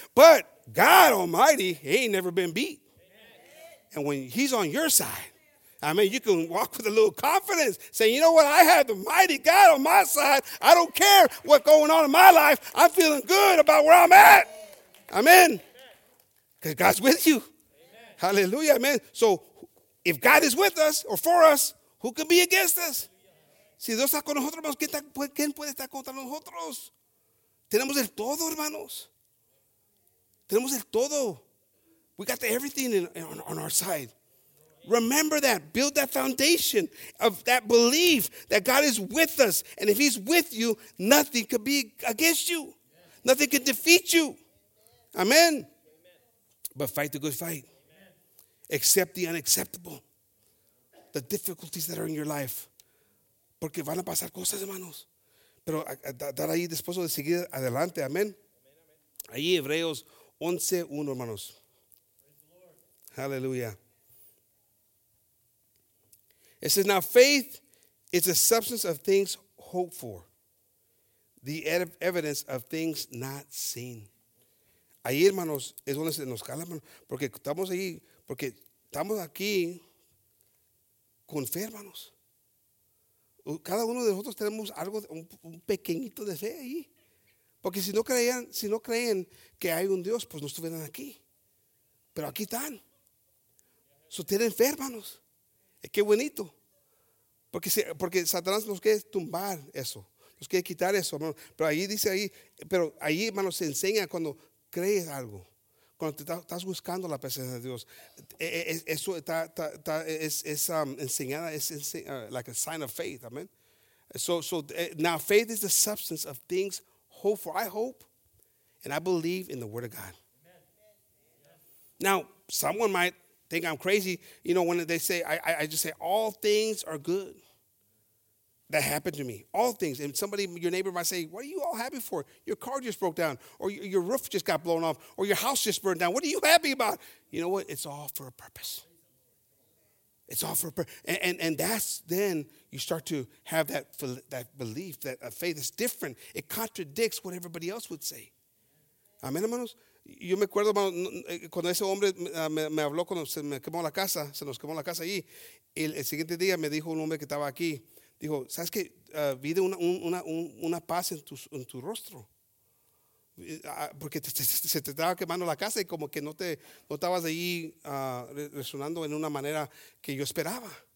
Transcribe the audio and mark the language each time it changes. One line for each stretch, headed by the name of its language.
English: But God Almighty, he ain't never been beat. And when he's on your side, I mean, you can walk with a little confidence, saying, you know what? I have the mighty God on my side. I don't care what's going on in my life. I'm feeling good about where I'm at. Amen. Because God's with you. Amen. Hallelujah. Amen. So if God is with us or for us, who can be against us?
Spanish: Si Dios está con nosotros, ¿quién puede estar contra nosotros? Tenemos el todo, hermanos. Tenemos el todo.
English: We got everything on our side. Remember that. Build that foundation of that belief that God is with us. And if he's with you, nothing could be against you. Yes. Nothing could defeat you. Amen. Amen. But fight the good fight. Amen. Accept the unacceptable. The difficulties that are in your life.
Spanish: Porque van a pasar cosas, hermanos. Pero dar ahí después de seguir adelante. Amen. Ahí Hebreos 11:1, hermanos. Hallelujah.
English: It says, now faith is the substance of things hoped for, the evidence of things not seen.
Spanish: Ahí, hermanos, es donde se nos cala, hermanos, porque estamos aquí con fe, hermanos. Cada uno de nosotros tenemos algo, un pequeñito de fe ahí. Porque si no creen que hay un Dios, pues no estuvieran aquí. Pero aquí están. So tienen fe, hermanos. Qué bonito. Porque Satanás nos quiere tumbar eso, nos quiere quitar eso, hermano. Pero ahí dice ahí, pero ahí, hermano, se enseña cuando crees algo, cuando estás buscando la presencia de Dios. Eso está enseñada, es
English: like a sign of faith, amen. Now faith is the substance of things hoped for. I hope and I believe in the word of God. Amen. Now, someone might think I'm crazy, you know, when they say, I just say, all things are good that happened to me. All things. And somebody, your neighbor might say, what are you all happy for? Your car just broke down, or your roof just got blown off, or your house just burned down. What are you happy about? You know what? It's all for a purpose. It's all for a purpose. And that's then you start to have that belief, that a faith is different. It contradicts what everybody else would say. Amen, hermanos.
Spanish: Yo me acuerdo, hermano, cuando ese hombre me habló, cuando se nos quemó la casa ahí. Y el siguiente día me dijo un hombre que estaba aquí, dijo, ¿sabes qué? Vi una paz en tu rostro. Porque se te estaba quemando la casa y como que no estabas ahí resonando en una manera que yo esperaba.